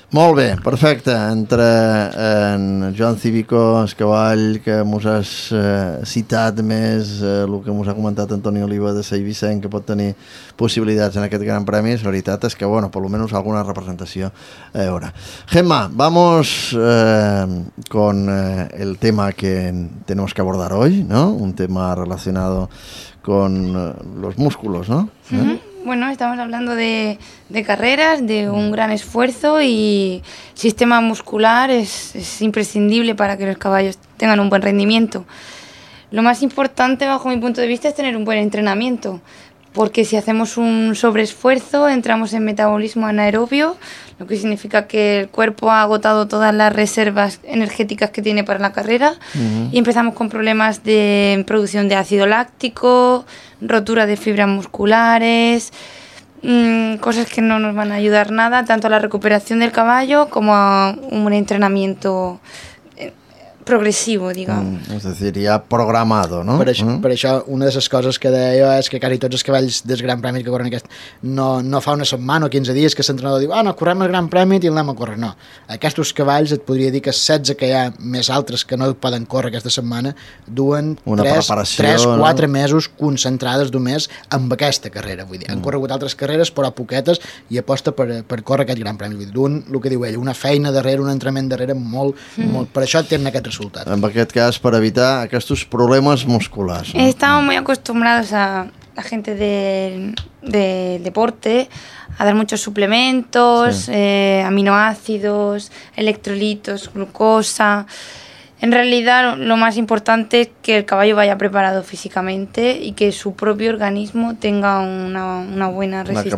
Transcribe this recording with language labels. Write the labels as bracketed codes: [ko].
[ca] Molt bé, perfecte. Entre en Joan Civico, el cavall que mos has citat més, el que mos ha comentat Antoni Oliva de l'eivissenca, que pot tenir possibilitats en aquest Gran Premi, la veritat és que, bueno, per lo menos alguna representació a veure. [es] Gemma, vamos con el tema que tenemos que abordar hoy, ¿no? Un tema relacionado con los músculos, ¿no? Bueno, estamos hablando de carreras, de un gran esfuerzo, y el sistema muscular es imprescindible para que los caballos tengan un buen rendimiento. Lo más importante, bajo mi punto de vista, es tener un buen entrenamiento, porque si hacemos un sobreesfuerzo, entramos en metabolismo anaerobio, lo que significa que el cuerpo ha agotado todas las reservas energéticas que tiene para la carrera, y empezamos con problemas de producción de ácido láctico, rotura de fibras musculares, cosas que no nos van a ayudar nada, tanto a la recuperación del caballo como a un entrenamiento [ca] progressiu, diguem. És a dir, ja programado, no? Per això, una de les coses que deia és que quasi tots els cavalls del Gran Premi que corren aquest, no fa una setmana o 15 dies que l'entrenador diu, no, correm el Gran Premi i anem a córrer. No, aquests cavalls, et podria dir que 16 que hi ha més altres que no poden córrer aquesta setmana, duen 3-4 mesos concentrades només amb aquesta carrera. Vull dir, han corregut altres carreres, però poquetes, i aposta per córrer aquest Gran Premi. Duen, el que diu ell, una feina darrere, un entrenament darrere molt, per això tenen aquest resultat. En aquest cas, per evitar aquests problemes musculars. No? [es] Estamos muy acostumbrados a la gente del deporte a dar muchos suplementos, aminoácidos, electrolitos, glucosa, En realidad, lo más importante es que el caballo vaya preparado físicamente y que su propio organismo tenga una buena resistencia.